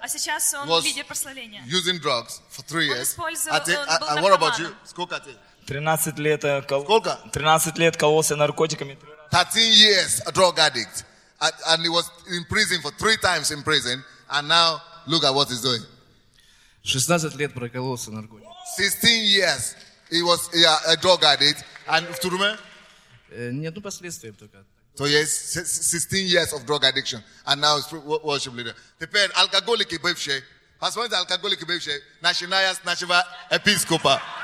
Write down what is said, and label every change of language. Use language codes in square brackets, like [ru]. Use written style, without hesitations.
[ru] А сейчас он [en] was [ru] лидер прославления. [en] Using drugs for 3 years. [ru] Он использовал, был наркоманом. [en] What about you? [ru] Сколько ты? 13 лет. Сколько? 13 лет кололся наркотиками. [en] 13 years a drug addict. And he was in prison for 3 times in prison. And now, look at what he's doing. [ru] 16 лет прокололся наркотиками. [en] 16 years he was a drug addict. And [ru] в тюрьме? Ни одно последствие только. [en] So yes, 16 years of drug addiction, and now he's worship leader. [ru] Теперь алкоголики бывшие, посмотрите, алкоголики бывшие, начиная с нашего епископа.